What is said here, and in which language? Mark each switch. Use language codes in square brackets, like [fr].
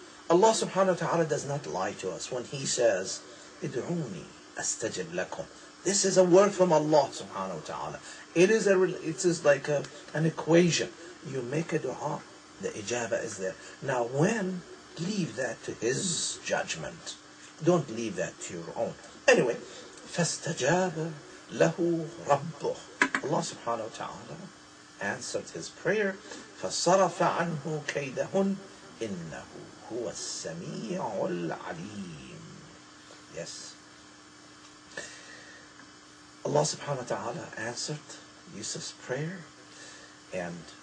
[en] Allah subhanahu wa ta'ala does not lie to us when he says, [ar] Id'uni astajib lakum. [en] This is a word from Allah subhanahu wa ta'ala. It is like an equation. You make a dua, the ijaba is there. Now when, leave that to his judgment. Don't leave that to your own. Anyway, [ar] فَاسْتَجَابَ لَهُ رَبُّهُ. [en] Allah subhanahu wa ta'ala answered his prayer. [ar] فَصَرَفَ عَنْهُ كَيْدَهُنْ إِنَّهُ هُوَ السَّمِيعُ الْعَلِيمُ. [en] Yes. Allah subhanahu wa ta'ala answered Yusuf's prayer. And